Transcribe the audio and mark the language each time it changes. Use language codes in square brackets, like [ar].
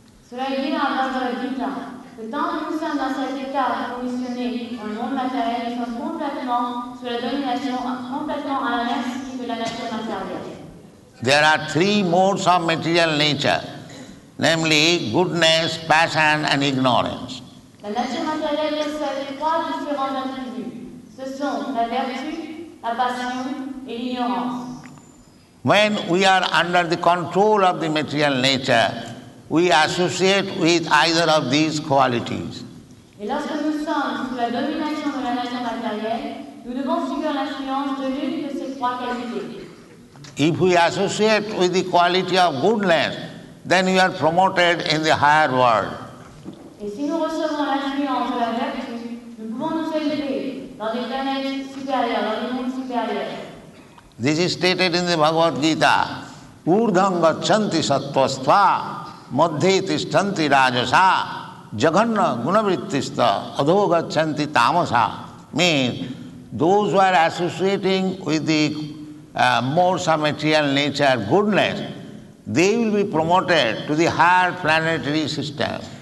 [fr] Cela est dit dans la Bhagavad Gita. Le temps que nous sommes dans cet état conditionné dans le monde matériel, nous sommes complètement sous la domination, complètement à la merci de la nature matérielle. [en] There are three modes of material nature, namely goodness, passion and ignorance. [fr] La nature matérielle possède trois différents attributs. Ce sont la vertu, la passion et l'ignorance. [en] When we are under the control of the material nature, we associate with either of these qualities. [fr] Et lorsque nous sommes sous la domination de la nature matérielle, nous devons subir l'influence de l'une de ces trois qualités. [en] If we associate with the quality of goodness, then we are promoted in the higher world. [fr] Et si nous recevons l'influence de la vertu, nous pouvons nous élever dans des planètes supérieures, dans des mondes supérieurs. [en] This is stated in the Bhagavad Gita. [sa] Urdham gacchanti sattvastva madhye tishtanti rajasa jaghanna gunavrittista adho gacchanti tamasa. [en] Means, those who are associating with the more material nature, goodness, they will be promoted to the higher planetary system.